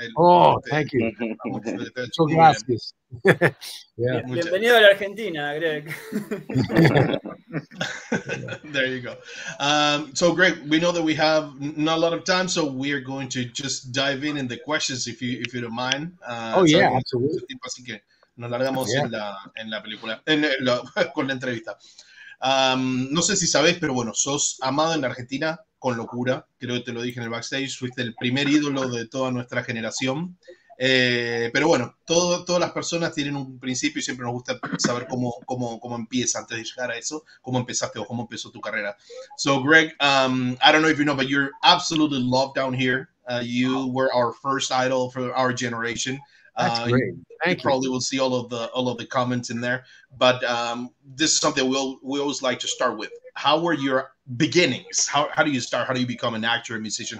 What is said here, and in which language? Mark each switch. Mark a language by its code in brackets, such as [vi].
[en] Oh, thank you. [es] Muchas gracias. [en] Yeah. [es] Bienvenido a la Argentina, Greg. [en] There you go. So, Greg, we know that we have not a lot of time, so we are going to just dive in the questions, if you don't mind. Absolutely. [es] Nos largamos en la película, con la entrevista. No sé si sabés, pero bueno, sos amado en la Argentina con locura. Creo que te lo dije en el backstage. Fuiste el primer ídolo de toda nuestra generación. Pero bueno, todas las personas tienen un principio y siempre nos gusta saber cómo empieza antes de llegar a eso. ¿Cómo empezaste o cómo empezó tu carrera? [en] So, Greg, I don't know if you know, but you're absolutely loved down here. You were our first idol for our generation. That's great. You probably will see all of the comments in there, but this is something we always like to start with. How were your beginnings? How do you start? How do you become an actor, a musician?